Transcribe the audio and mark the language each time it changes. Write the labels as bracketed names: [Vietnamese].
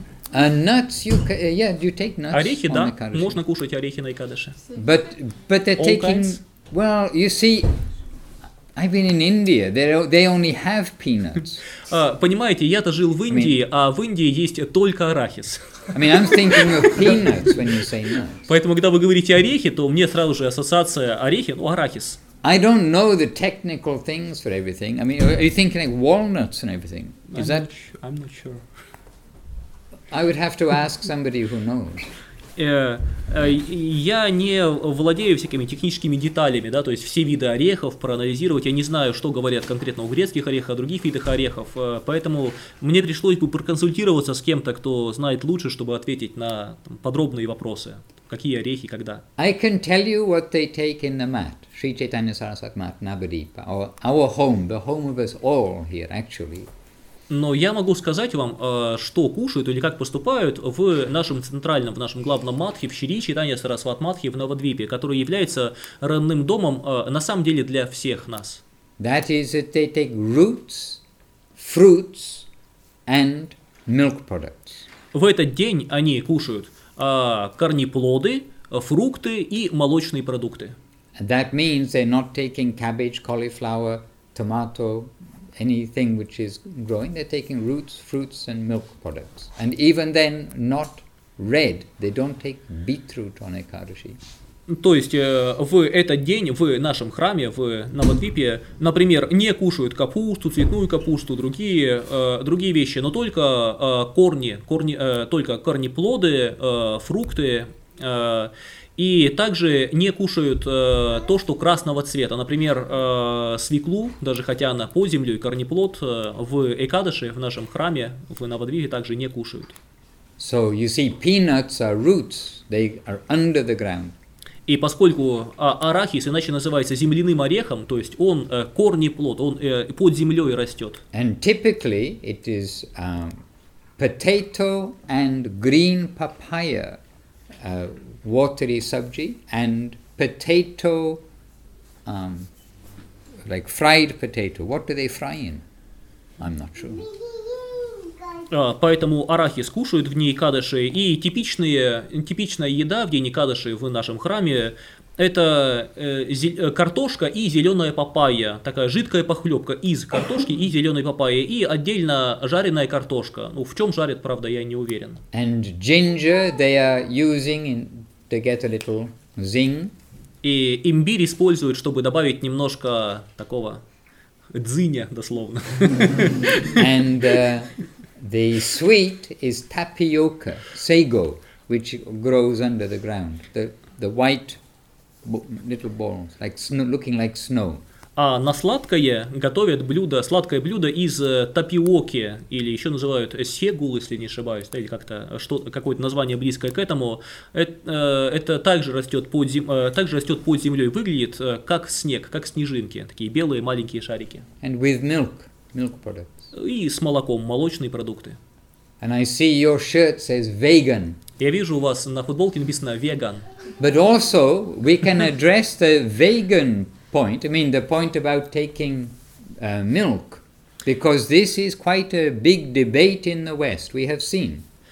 [English] Nuts, you take nuts. [Russian] Орехи, да. Можно кушать орехи на Экадаши. [English] But they're taking... Well, you see, I've been in India. They only have peanuts. [Russian] Понимаете, я-то жил в Индии, а в Индии есть только арахис. [English] I mean, I'm thinking of peanuts when you say nuts. [Russian] Поэтому, когда вы говорите орехи, то мне сразу же ассоциация орехи, ну, арахис. [English] I don't know the technical things for everything. I mean, are you thinking like walnuts and everything? I'm not sure. I would have to ask somebody who knows. [Russian] Я не владею всякими техническими деталями, да, то есть все виды орехов проанализировать. Я не знаю, что говорят конкретно о грецких орехах, о других видах орехов. Поэтому мне пришлось бы проконсультироваться с кем-то, кто знает лучше, чтобы ответить на подробные вопросы. Какие орехи, когда? [English] I can tell you what they take in the mat. Sri Chaitanya Sarasvati mat, Navadvipa. Our home, the home of us all here, actually. [Russian] Но я могу сказать вам, что кушают или как поступают в нашем центральном, в нашем главном матхе, в Шри Чайтанья Сарасват матхе в Навадвипе, который является родным домом на самом деле для всех нас. [English] That is that they take roots, fruits and milk products. [Russian] В этот день они кушают корнеплоды, фрукты и молочные продукты. [English] That means they're not taking cabbage, cauliflower, tomato, anything which is growing, they're taking roots, fruits and milk products. And even then, not red, they don't take beetroot on Ekadashi. [Russian] То есть в этот день в нашем храме в Навадвипе, например, не кушают капусту, цветную капусту, другие вещи, но только корнеплоды, фрукты, и также не кушают то, что красного цвета, например, свеклу, даже хотя она под землей, корнеплод в Экадаши, в нашем храме в Навадвипе также не кушают. [English] So you see, peanuts are roots, they are under the ground. [Russian] И поскольку арахис иначе называется земляным орехом, то есть он корнеплод, он под землей растет. [English] And typically it is potato and green papaya, watery sabji, and potato, like fried potato. What do they fry in? I'm not sure. [Russian] Поэтому арахис кушают в ней кадыши, и типичная еда в день кадыши в нашем храме – это картошка и зеленая папайя, такая жидкая похлебка из картошки и зеленой папайи, и отдельно жареная картошка. Ну, в чем жарят, правда, я не уверен. [English] And ginger they are using to get a little zing. [Russian] И имбирь используют, чтобы добавить немножко такого дзыня, дословно. [English] And the sweet is tapioca, sago, which grows under the ground. The white little balls, like snow, looking like snow. [Russian] А на сладкое готовят блюдо, сладкое блюдо из тапиоки, или еще называют сегул, если не ошибаюсь, да, или как-то что, какое-то название близкое к этому. Это также растет под землей, выглядит как снег, как снежинки, такие белые маленькие шарики. [English] And with milk products. [Russian] И с молоком, молочные продукты. [English] And I see your shirt says vegan. [Russian] Я вижу, у вас на футболке написано vegan. [English] But also we can address the vegan point, I mean the point about taking milk, because this is quite a big debate in the West, we have seen.